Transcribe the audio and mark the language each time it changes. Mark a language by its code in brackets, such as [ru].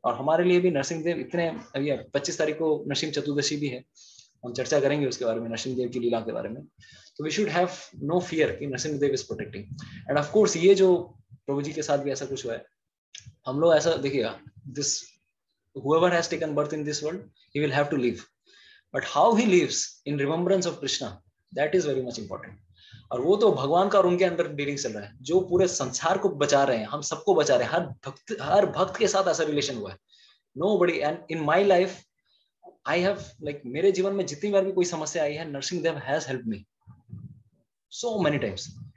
[hi] और हमारे लिए भी नरसिंहदेव इतने, अभी 25 तारीख को नरसिंह चतुर्दशी भी है, हम चर्चा करेंगे उसके बारे में, नरसिंहदेव की लीला के बारे में। तो [en] we should have no fear [hi] कि Narasimhadeva is protecting. And of course ये जो प्रभु जी के साथ भी ऐसा कुछ हुआ है, हम लोग ऐसा देखिएगा, this [en] whoever has taken birth in this world, he will have to leave. But how he lives in remembrance of Krishna, that is very much important. [hi] और वो तो भगवान का और उनके अंदर डीलिंग चल रहा है, जो पूरे संसार को बचा रहे हैं, हम सबको बचा रहे हैं, हर भक्त के साथ ऐसा रिलेशन हुआ है, नो बड़ी। [en] and in my life I have like, [hi] मेरे जीवन में जितनी बार भी कोई समस्या आई है, [en] Narsinghdev has help me so many times.